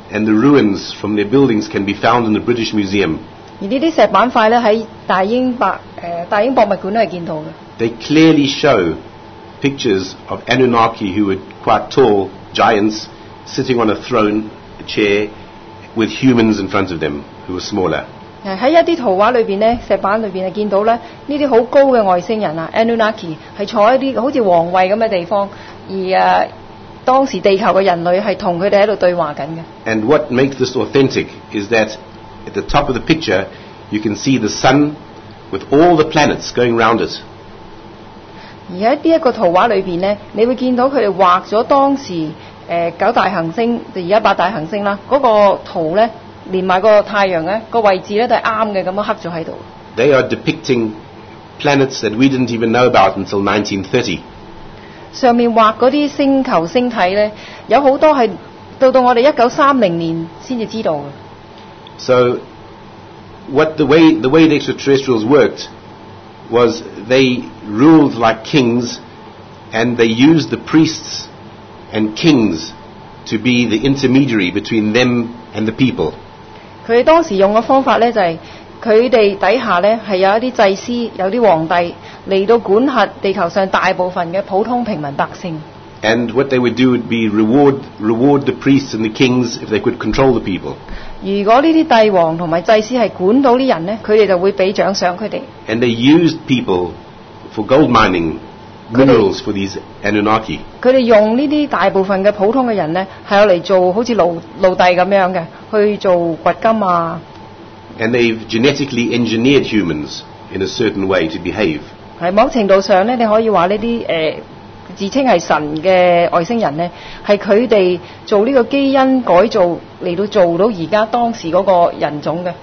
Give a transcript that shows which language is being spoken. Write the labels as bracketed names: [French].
[English] And the ruins from their buildings can be found in the British Museum. They clearly show pictures of Anunnaki who were quite tall giants sitting on a throne, a chair, with humans in front of them who were smaller. [Chinese] 在一些圖畫裏面，石板裏面看到這些很高的外星人 Anunnaki 是坐在一些好像皇位的地方，而當時地球的人類是跟他們在對話的。 [English] And what makes this authentic is that at the top of the picture you can see the sun with all the planets going round it. [Chinese] 而在這個圖畫裡面呢，你會看到他們畫了當時、九大行星，現在八大行星啦，那個圖呢連埋個太陽呢，那個位置呢都是對的，這樣刻了在這裡。 [English] They are depicting planets that we didn't even know about until 1930. [Chinese] 上面畫的那些星球星體呢，有很多是到我們1930年才知道的。 [English] So what the way the extraterrestrials worked was they ruled like kings, and they used the priests and kings to be the intermediary between them and the people. [Chinese] 他們當時用的方法呢，就是他們底下呢是有一些祭司，有些皇帝來到管轄地球上大部分的普通平民百姓。 [English] And what they would do would be reward the priests and the kings if they could control the people. [Chinese] 如果這些帝王和祭司是管到人呢，他們就會給獎賞他們。 [English] And they used people for gold mining minerals for these Anunnaki. [Chinese] 他們用這些大部分的普通的人呢，是用來做好像奴隸那樣的，去做掘金啊。 [English] And they've genetically engineered humans in a certain way to behave. [Chinese] 在某程度上呢，你可以說這些、自稱是神的外星人呢，是他們做這個基因改造來到做到現在當時那個人種的。